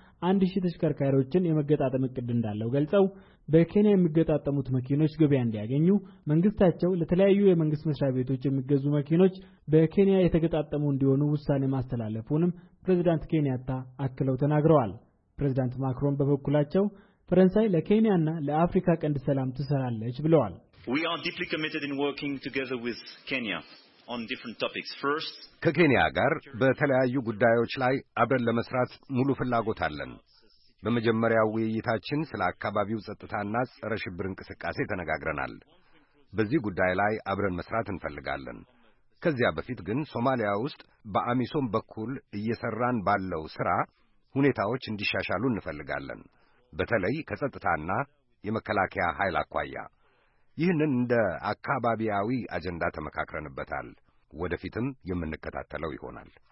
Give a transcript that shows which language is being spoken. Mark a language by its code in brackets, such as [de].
[am] 1000 ተሽከርካሪዎችን የመገጣጠም እቅድ እንዳለው ገልጸው በኬንያ የሚገጣጠሙት መኪኖች ገበያ እንዲያገኙ መንግስታቸው ለተለያዩ የመንግስት መስሪያ ቤቶች የሚገዙ መኪኖች በኬንያ የተገጣጠሙ እንዲሆኑ ውሳኔ ማስተላለፉንም ፕሬዝዳንት ኬንያታ አክለው ተናግረዋል። ፕሬዝዳንት ማክሮን በበኩላቸው ፈረንሳይ ለኬንያና ለአፍሪካ ቀንድ ሰላም ትሰራለች ብለዋል። [en] We are deeply committed in working together with Kenya on different topics. First, [am] ከኬንያ ጋር በተለያዩ ጉዳዮች ላይ አብረን ለመስራት ሙሉ ፍላጎት አለን። በመጀመሪያው ውይይታችን ስለ አካባቢው ጸጥታና ጸረ ሽብር እንቅስቃሴ ተነጋግረናል። በዚህ ጉዳይ ላይ አብረን መስራት እንፈልጋለን። ከዚያ በፊት ግን ሶማሊያ ውስጥ በአሚሶም በኩል እየሰራን ባለው ሥራ ሁኔታዎች እንዲሻሻሉ እንፈልጋለን። በተለይ ከጸጥታና የመከላከያ ኃይል አኳያ ይህንን እንደ አካባቢያዊ አጀንዳ ተመካክረንበታል። ወደፊትም የምንከታተለው ይሆናል።